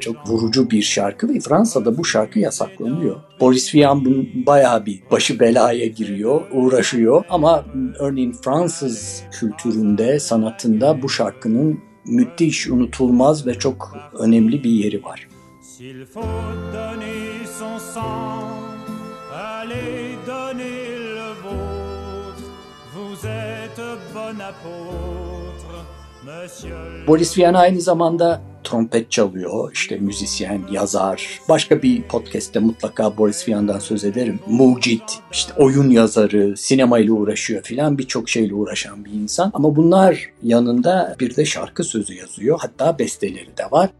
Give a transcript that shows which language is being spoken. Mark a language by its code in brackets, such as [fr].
[tr] Çok vurucu bir şarkı ve Fransa'da bu şarkı yasaklanıyor. Boris Vian bayağı bir başı belaya giriyor, uğraşıyor. Ama örneğin Fransız kültüründe, sanatında bu şarkının müthiş, unutulmaz ve çok önemli bir yeri var. [fr] S'il faut donner son sang, allez donner le vôtre. Vous êtes bon apôtre, monsieur. [tr] Boris Vian aynı zamanda trompet çalıyor, işte müzisyen, yazar. Başka bir podcast'te mutlaka Boris Vian'dan söz ederim. Mucit, işte oyun yazarı, sinemayla uğraşıyor filan, birçok şeyle uğraşan bir insan. Ama bunlar yanında bir de şarkı sözü yazıyor, hatta besteleri de var.